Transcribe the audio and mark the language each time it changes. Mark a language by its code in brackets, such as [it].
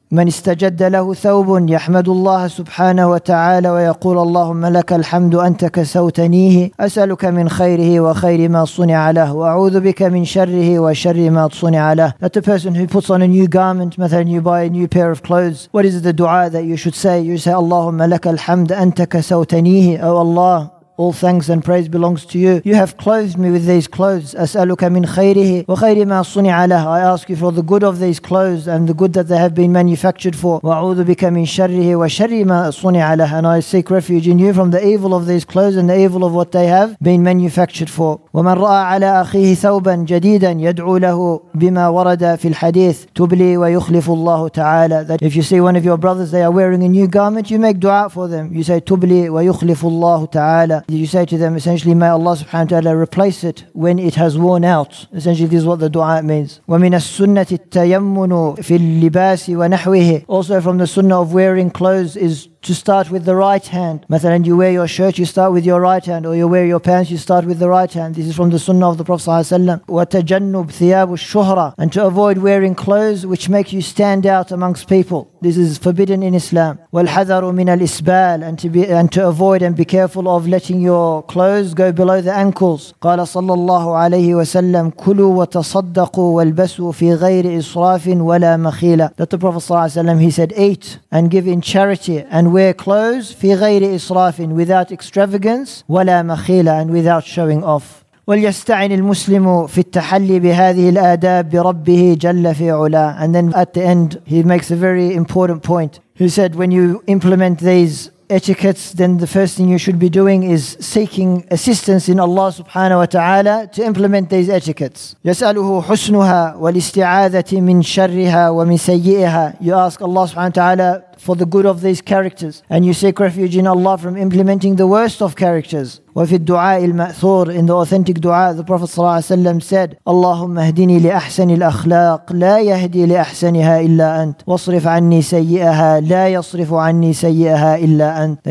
[ar] من استجد له ثوب يحمد الله سبحانه وتعالى ويقول اللهم لك الحمد أنت كسوتنيه أسألك من خيره وخير ما صنع له وأعوذ بك من شره وشر ما صنع له. [en] That the person who puts on a new garment, مثلا you buy a new pair of clothes, what is the dua that you should say? You say [ar] اللهم لك الحمد أنت كسوتنيه, أو الله, [en] all thanks and praise belongs to you. You have clothed me with these clothes. [ar] أسألك من خيره وخير ما صنع له. [en] I ask you for the good of these clothes and the good that they have been manufactured for. [ar] وأعوذ بك من شره وشر ما صنع له. [en] And I seek refuge in you from the evil of these clothes and the evil of what they have been manufactured for. [ar] ومن رأى على أخيه ثوبا جديدا يدعو له بما ورد في الحديث تبلي ويخلف الله تعالى. [en] That if you see one of your brothers, they are wearing a new garment, you make dua for them. You say [ar] تبلي ويخلف الله تعالى. [en] You say to them, essentially, may Allah subhanahu wa ta'ala replace it when it has worn out. Essentially, this is what the dua means. [ar] وَمِنَ السُّنَّةِ التَّيَمُّنُ فِي اللِّبَاسِ وَنَحْوِهِ. [en] Also from the sunnah of wearing clothes is to start with the right hand. مثلا, you wear your shirt, you start with your right hand, or you wear your pants, you start with the right hand. This is from the sunnah of the Prophet sallallahu alaihi wasallam. [ar] وَتَجَنُّبْ ثِيَابُ الشُّهْرَةِ. [en] And to avoid wearing clothes which make you stand out amongst people. This is forbidden in Islam. [ar] وَالْحَذَرُ مِنَ الْإِسْبَالِ. [en] And to avoid and be careful of letting your clothes go below the ankles. [ar] قال صلى الله عليه وسلم كلوا وتصدقوا والبسوا في غير إسراف ولا مخيلة. [en] That the Prophet [ar] صلى الله عليه وسلم, [en] he said, eat and give in charity and wear clothes [ar] في غير إسراف, [en] without extravagance, [ar] ولا مخيلة, [en] and without showing off. [ar] وليستعن المسلم في التحلي بهذه الآداب بربه جل في علا. [en] And then at the end he makes a very important point. He said, when you implement these etiquettes, then the first thing you should be doing is seeking assistance in Allah subhanahu wa ta'ala to implement these etiquettes. [ar] يسأله حسنها والاستعاذة من شرها ومن سيئها. [en] You ask Allah subhanahu wa ta'ala for the good of these characters, and you seek refuge in Allah from implementing the worst of characters. [ar] وفي الدعاء المأثور, [en] in the authentic dua, the Prophet [ar] صلى الله عليه وسلم [en] said, [ar] اللهم اهدني لأحسن الأخلاق لا يهدي لأحسنها إلا أنت واصرف عني سيئها لا يصرف عني سيئها إلا أنت.